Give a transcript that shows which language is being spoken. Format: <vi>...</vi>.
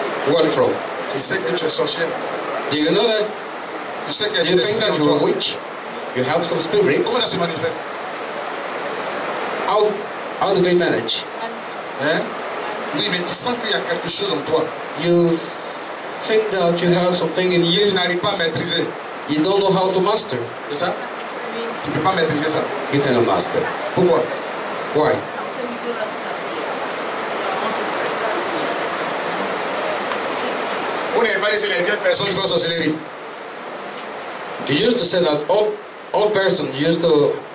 <en>What from?</en> <fr>Tu sais que tu es sorcière.</fr> <en>Do you know that?</en> <fr>Tu sais qu'il y a</fr> <en>you think that you are a witch? You have some spirits?</en> <fr>Comment ça se manifeste?</fr> <en>How do they manage? Hein?</en> <fr>Oui, mais tu sens qu'il y a quelque chose en toi.</fr> <en>You think that you have something in you</en> <fr>tu n'arrives pas à maîtriser.</fr> <en>You don't know how to master.</en> <fr>Tu peux pas maîtriser ça.</fr> <en>You cannot master.</en> <fr>Pourquoi?</fr> <en>Why?</en> <fr>Vous n'avez pas laissé les vieilles personnes faire sorcellerie.</fr> <en>They used to say that old person used to</en>